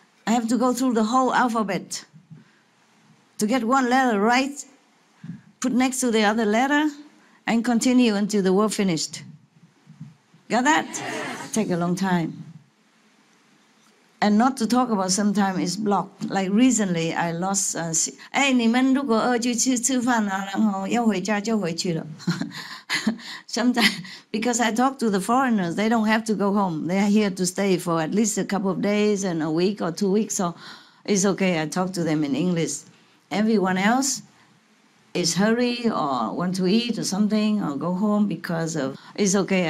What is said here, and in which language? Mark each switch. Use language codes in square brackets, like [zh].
[en] I have to go through the whole alphabet to get one letter right, put next to the other letter, and continue until the word finished. Got that? Yes. Take a long time. And not to talk about sometimes it's blocked. Like recently, I lost. [zh] Hey, 你们如果饿就去吃饭啊，然后要回家就回去了. [en] Sometimes, because I talk to the foreigners, they don't have to go home. They are here to stay for at least a couple of days and a week or 2 weeks. So it's okay. I talk to them in English. Everyone else is hurry or want to eat or something or go home because of. It's okay.